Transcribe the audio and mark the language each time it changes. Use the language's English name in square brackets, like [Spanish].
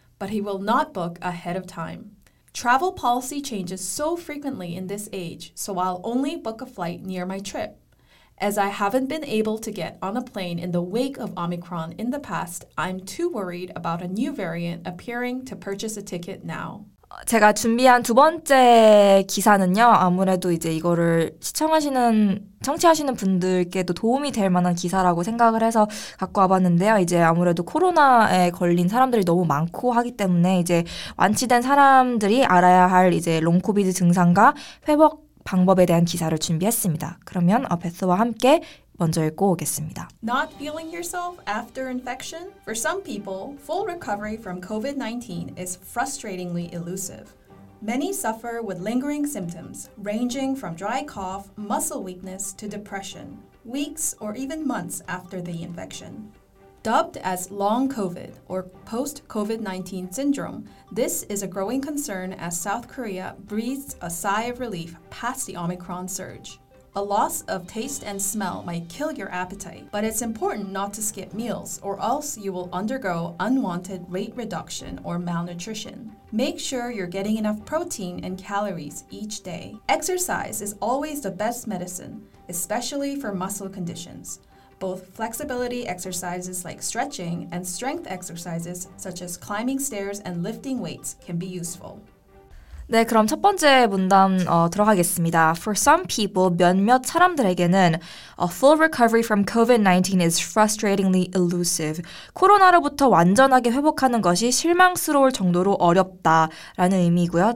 [English] But he will not book ahead of time. Travel policy changes so frequently in this age, so I'll only book a flight near my trip. As I haven't been able to get on a plane in the wake of Omicron in the past, I'm too worried about a new variant appearing to purchase a ticket now. [Korean] 제가 준비한 두 번째 기사는요. 아무래도 이제 이거를 시청하시는, 청취하시는 분들께도 도움이 될 만한 기사라고 생각을 해서 갖고 와봤는데요. 이제 아무래도 코로나에 걸린 사람들이 너무 많고 하기 때문에 이제 완치된 사람들이 알아야 할 이제 롱 코비드 증상과 회복 방법에 대한 기사를 준비했습니다. 그러면 베스와 함께 먼저 읽고 오겠습니다. [English] Not feeling yourself after infection? For some people, full recovery from COVID-19 is frustratingly elusive. Many suffer with lingering symptoms, ranging from dry cough, muscle weakness, to depression, weeks or even months after the infection. Dubbed as long COVID or post-COVID-19 syndrome, this is a growing concern as South Korea breathes a sigh of relief past the Omicron surge. A loss of taste and smell might kill your appetite, but it's important not to skip meals or else you will undergo unwanted weight reduction or malnutrition. Make sure you're getting enough protein and calories each day. Exercise is always the best medicine, especially for muscle conditions. Both flexibility exercises like stretching and strength exercises such as climbing stairs and lifting weights can be useful. [Korean] 네, 그럼 첫 번째 문단 들어가겠습니다. [English] For some people, [Korean] 몇몇 사람들에게는 [English] a full recovery from COVID-19 is frustratingly elusive. [Korean] 코로나로부터 완전하게 회복하는 것이 실망스러울 정도로 어렵다라는 의미고요.